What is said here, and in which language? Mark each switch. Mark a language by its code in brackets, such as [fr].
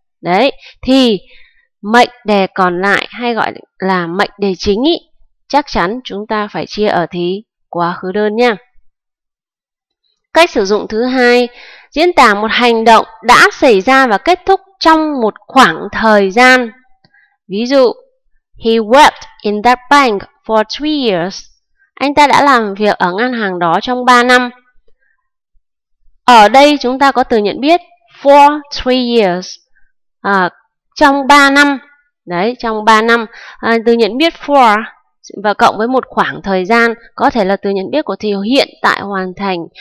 [vi] Đấy, thì mệnh đề còn lại hay gọi là mệnh đề chính ý, chắc chắn chúng ta phải chia ở thì quá khứ đơn nha. Cách sử dụng thứ hai, diễn tả một hành động đã xảy ra và kết thúc trong một khoảng thời gian. Ví dụ, [en] he worked in that bank for 3 years. [vi] Anh ta đã làm việc ở ngân hàng đó trong 3 năm. Ở đây chúng ta có từ nhận biết [en] for 3 years. [vi] Trong 3 năm. Đấy, trong 3 năm. Từ nhận biết for và cộng với một khoảng thời gian có thể là từ nhận biết của thì hiện tại hoàn thành.